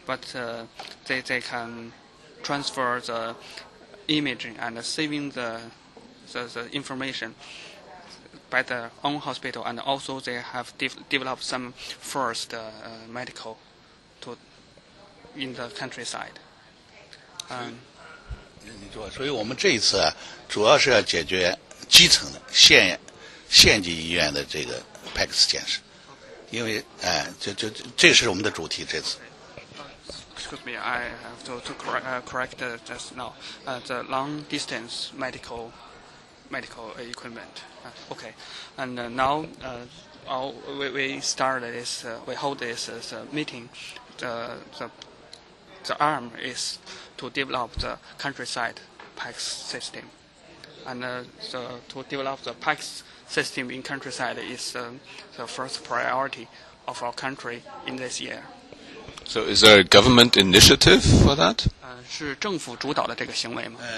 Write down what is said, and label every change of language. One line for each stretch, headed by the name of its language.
English: But they can transfer the imaging and saving the information by the own hospital, and also they have developed some first medical to in the countryside.
Chinese: 你说，所以我们这一次啊，主要是要解决基层的县级医院的这个 PEX 建设，因为这是我们的主题这次。
English: Excuse me, I have to correct just now. The long distance medical equipment. Okay, and now we start this. We hold this as a meeting. The arm is to develop the countryside PEX system, and to develop the PEX system in countryside is the first priority of our country in this year. So, is there a government initiative for that?
Chinese: 是政府主导的这个行为吗？